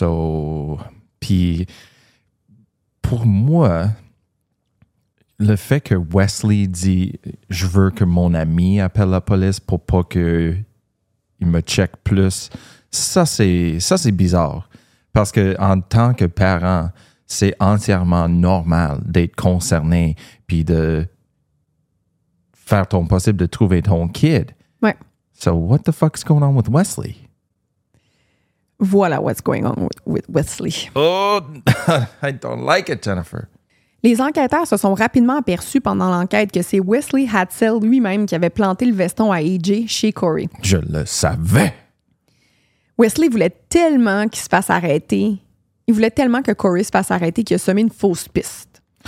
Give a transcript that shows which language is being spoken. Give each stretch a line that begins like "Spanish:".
French: So, puis, pour moi, le fait que Wesley dit « Je veux que mon ami appelle la police pour pas qu'il me check plus », ça, c'est bizarre. Parce que en tant que parent, c'est entièrement normal d'être concerné puis de faire ton possible de trouver ton kid. Ouais.
English: So, what the fuck's going on with Wesley? Voilà what's going on with Wesley. Oh, I don't like it, Jennifer.
French: Les enquêteurs se sont rapidement aperçus pendant l'enquête que c'est Wesley Hatzell lui-même qui avait planté le veston à AJ chez Corey. Je le savais! Wesley voulait tellement qu'il se fasse arrêter. Il voulait tellement que Corey se fasse arrêter qu'il a semé une fausse piste.